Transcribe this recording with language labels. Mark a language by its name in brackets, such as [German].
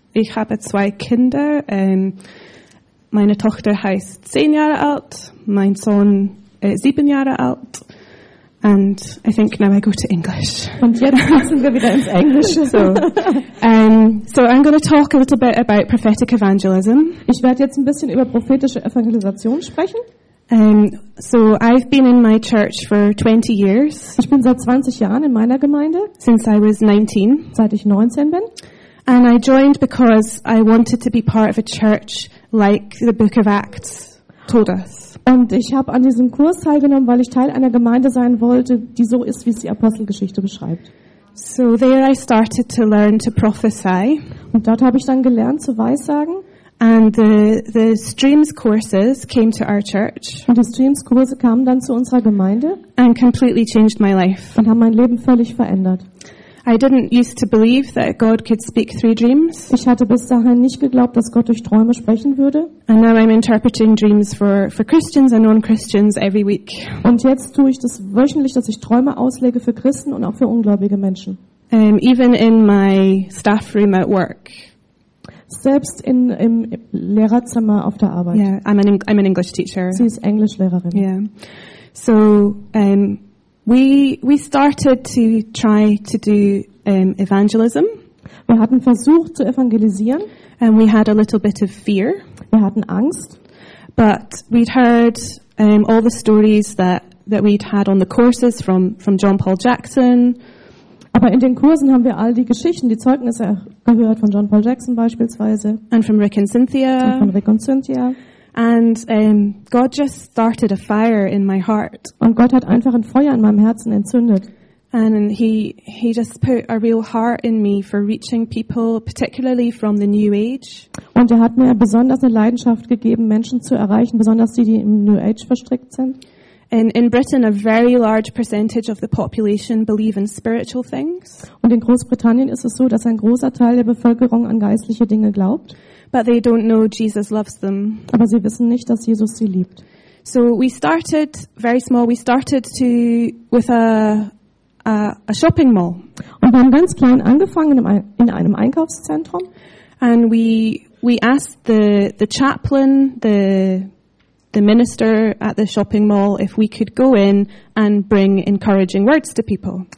[German] Ich habe 2 Kinder. Meine Tochter heißt 10 Jahre alt. Mein Sohn ist 7 Jahre alt. [English] And I think now I go to English. [German] Und jetzt passen wir wieder ins Englische. [English] So I'm going to talk a little bit about prophetic evangelism. [German] Ich werde jetzt ein bisschen über prophetische Evangelisation sprechen. [English] So I've been in my church for 20 years. [German] Ich bin seit 20 Jahren in meiner Gemeinde. [English] Since I was 19. [German] Seit ich 19 bin. [English] And I joined because I wanted to be part of a church like the Book of Acts told us. [German] Und ich habe an diesem Kurs teilgenommen, weil ich Teil einer Gemeinde sein wollte, die so ist, wie es die Apostelgeschichte beschreibt. [English] So there I started to learn to prophesy. [German] Und dort habe ich dann gelernt zu weissagen. [English] And the Streams courses came to our church. [German] Und die Streams Kurse kamen dann zu unserer Gemeinde. [English] And completely changed my life. [German] Und haben mein Leben völlig verändert. [English] I didn't used to believe that God could speak through dreams. [German] Ich hatte bis dahin nicht geglaubt, dass Gott durch Träume sprechen würde. [English] And now I'm interpreting dreams for Christians and non-Christians every week. [German] Und jetzt tue ich das wöchentlich, dass ich Träume auslege für Christen und auch für ungläubige Menschen. [English] Even in my staff room at work. [German] Selbst in im Lehrerzimmer auf der Arbeit. [English] Yeah, I'm an English teacher. [German] Sie ist Englischlehrerin. [English] Yeah. So we started to try to do evangelism. [German] Wir hatten versucht zu evangelisieren. [English] And we had a little bit of fear. [German] Wir hatten Angst. [English] But we'd heard all the stories that we'd had on the courses from John Paul Jackson. [German] Aber in den Kursen haben wir all die Geschichten, die Zeugnisse gehört von John Paul Jackson beispielsweise. [English] And from Rick and Cynthia. [German] Und von Rick und Cynthia. [English] And God just started a fire in my heart. [German] Und Gott hat einfach ein Feuer in meinem Herzen entzündet. [English] And he just put a real heart in me for reaching people, particularly from the New Age. [German] Und er hat mir besonders eine Leidenschaft gegeben, Menschen zu erreichen, besonders die im New Age verstrickt sind. [English] In Britain, a very large percentage of the population believe in spiritual things. [German] Und in Großbritannien ist es so, dass ein großer Teil der Bevölkerung an geistliche Dinge glaubt. [English] But they don't know Jesus loves them. [German] Aber sie wissen nicht, dass Jesus sie liebt. [English] So we started very small. We started to with a shopping mall. [German] Und wir haben ganz klein angefangen in einem Einkaufszentrum. [English] And we asked the chaplain, the minister at the shopping mall, if we could go in and bring encouraging words to people.